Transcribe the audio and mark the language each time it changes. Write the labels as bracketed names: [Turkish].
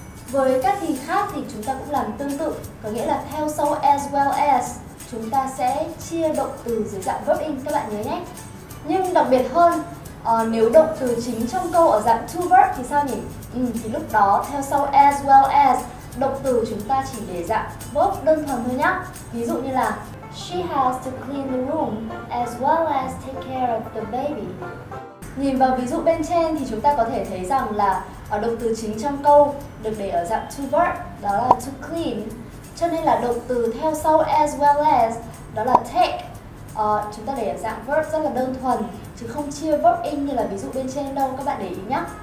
[Vietnamese] Với các thì khác thì chúng ta cũng làm tương tự, có nghĩa là theo sau as well as chúng ta sẽ chia động từ dưới dạng verb in, các bạn nhớ nhé. Nhưng đặc biệt hơn, nếu động từ chính trong câu ở dạng to verb thì sao nhỉ? Thì lúc đó theo sau as well as, động từ chúng ta chỉ để dạng verb đơn thuần thôi nhá. Ví dụ như là [English] She has to clean the room as well as take care of the baby. [Vietnamese] Nhìn vào ví dụ bên trên thì chúng ta có thể thấy rằng là ở động từ chính trong câu được để ở dạng to verb, đó là to clean. Cho nên là động từ theo sau as well as, đó là take. Chúng ta để ở dạng verb rất là đơn thuần, chứ không chia verb in như là ví dụ bên trên đâu, các bạn để ý nhé.